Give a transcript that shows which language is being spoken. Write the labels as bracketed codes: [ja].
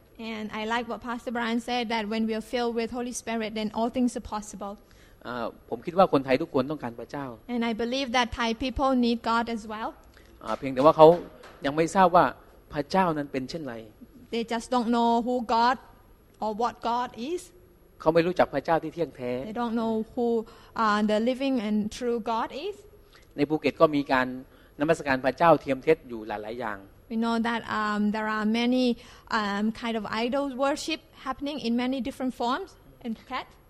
[en] And I like what Pastor Brian said that when we are filled with Holy Spirit then all things are possible [th] ผมคิดว่าคนไทยทุกคนต้องการพระเจ้า [en] And I believe that Thai people need God as well [th] เพียงแต่ว่าเขายังไม่ทราบว่าพระเจ้านั้นเป็นเช่นไร [en] They just don't know who God or what God is [th] เขาไม่รู้จักพระเจ้าที่เที่ยงแท้ [en] They don't know who the living and true God is [th] ในภูเก็ตก็มีการนมัสการพระเจ้าเทียมเท็จอยู่หลายๆอย่าง [en] We know that there are many kind of idol worship happening in many different forms in Phuket